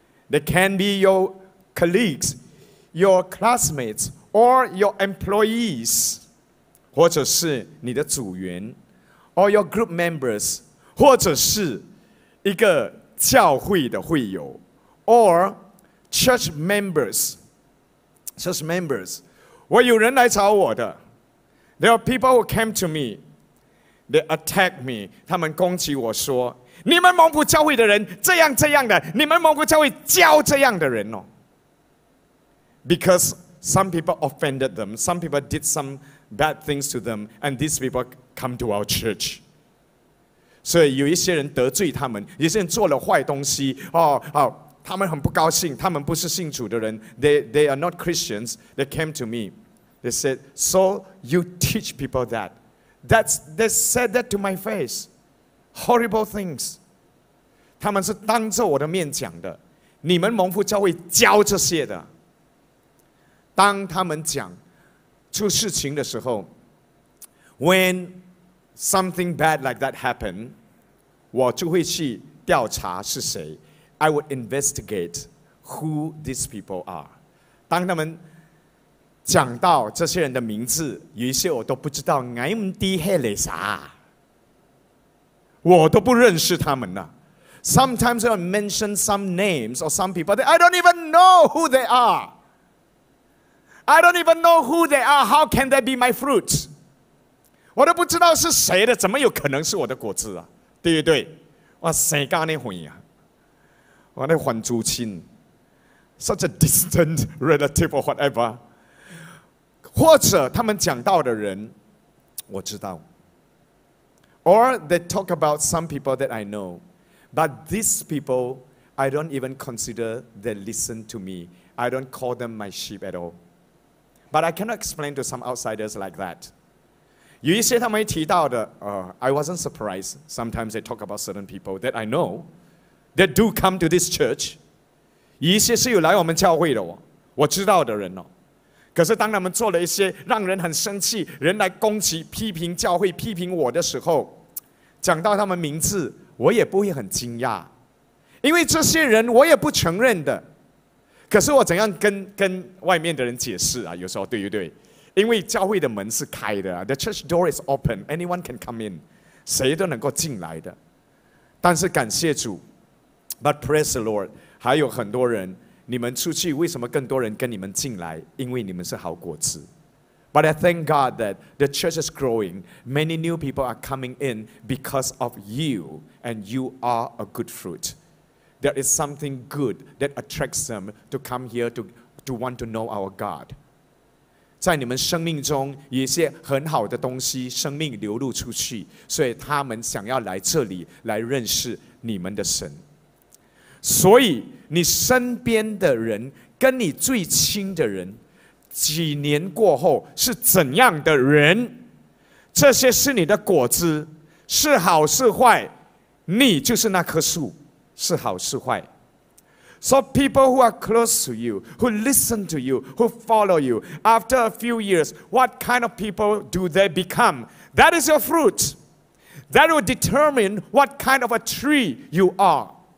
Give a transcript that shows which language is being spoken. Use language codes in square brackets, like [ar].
[en] They can be your colleagues, your classmates, or your employees, [zh] 或者是你的组员 [en] or your group members, [zh] 或者是一个教会的会友 [en] or church members. Church members, [zh] 我有人来找我的。 [en] There are people who came to me. They attack me. [zh] 他们攻击我说：“你们蒙福教会的人这样这样的，你们蒙福教会教这样的人哦。” [en] Because some people offended them, some people did some bad things to them, and these people come to our church. [zh] 所以有一些人得罪他们，有些人做了坏东西哦，好，他们很不高兴，他们不是信主的人。 [en] They are not Christians. They came to me. They said, "So you teach people that?" That's, they said that to my face. Horrible things. [zh] 他们是当着我的面讲的。你们蒙福教会教这些的。当他们讲出事情的时候， [en] When something bad like that happened, [zh] 我就会去调查是谁。 [en] I would investigate who these people are. [zh] 当他们讲到这些人的名字，有一些我都不知道，俺们的黑嘞啥，我都不认识他们呢。 [en] Sometimes I mention some names or some people, I don't even know who they are. I don't even know who they are. How can they be my fruit? [zh] 我都不知道是谁的，怎么有可能是我的果子啊？对不对？我生家那混呀，我那还祖亲 ， [en] such a distant relative or whatever. [zh] 或者他们讲到的人，我知道。 [en] Or they talk about some people that I know, but these people, I don't even consider they listen to me. I don't call them my sheep at all. But I cannot explain to some outsiders like that. [zh] 有一些他们提到的， [en] I wasn't surprised. Sometimes they talk about certain people that I know, that do come to this church. [zh] 有一些是有来我们教会的，我知道的人哦。可是当他们做了一些让人很生气，人来攻击批评教会批评我的时候，讲到他们名字我也不会很惊讶，因为这些人我也不承认的。可是我怎样 跟外面的人解释啊？有时候对不对？因为教会的门是开的、 [en] The church door is open, anyone can come in, [zh] 谁都能够进来的。但是感谢主， [en] But praise the Lord, [zh] 还有很多人，你们出去，为什么更多人跟你们进来？因为你们是好果子。 [en] But I thank God that the church is growing. Many new people are coming in because of you, and you are a good fruit. There is something good that attracts them to come here to want to know our God. [zh] 在你们生命中一些很好的东西生命流露出去，所以他们想要来这里来认识你们的神。所以你身边的人跟你最亲的人几年过后是怎样的人，这些是你的果子，是好是坏，你就是那棵树，是好是坏。 [en] So people who are close to you, who listen to you, who follow you, after a few years, what kind of people do they become? That is your fruit. That will determine what kind of a tree you are.